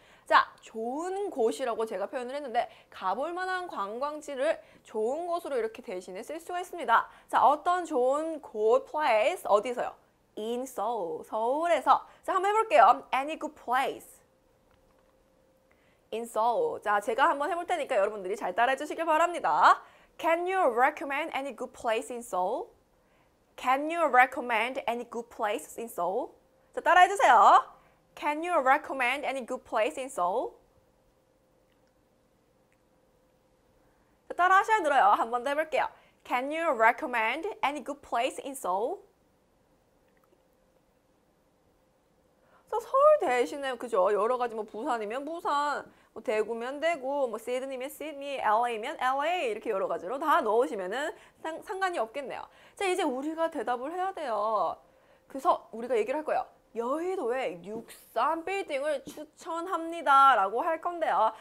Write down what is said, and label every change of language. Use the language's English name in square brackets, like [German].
[Korean] 자, 좋은 곳이라고 제가 표현을 했는데 가볼 만한 관광지를 좋은 곳으로 이렇게 대신에 쓸 수가 있습니다. 자, 어떤 좋은 곳, place, 어디서요? [English] In Seoul, [Korean] 서울에서. 자, 한번 해볼게요. [English] Any good place. In Seoul. [Korean] 자, 제가 한번 해볼 테니까 여러분들이 잘 따라해 주시길 바랍니다. [English] Can you recommend any good place in Seoul? Can you recommend any good place in Seoul? [Korean] 자, 따라해 주세요. [English] Can you recommend any good place in Seoul? [Korean] 자, 따라 하셔야 늘어요. 한 번 더 해볼게요. [English] Can you recommend any good place in Seoul? [Korean] 자, 서울 대신에 그죠? 여러 가지 뭐 부산이면 부산, 뭐 대구면 대구, 뭐 시드니면 시드니, LA면 LA 이렇게 여러 가지로 다 넣으시면은 상관이 없겠네요. 자, 이제 우리가 대답을 해야 돼요. 그래서 우리가 얘기를 할 거예요. 여의도에 63 빌딩을 추천합니다 라고 할 건데요.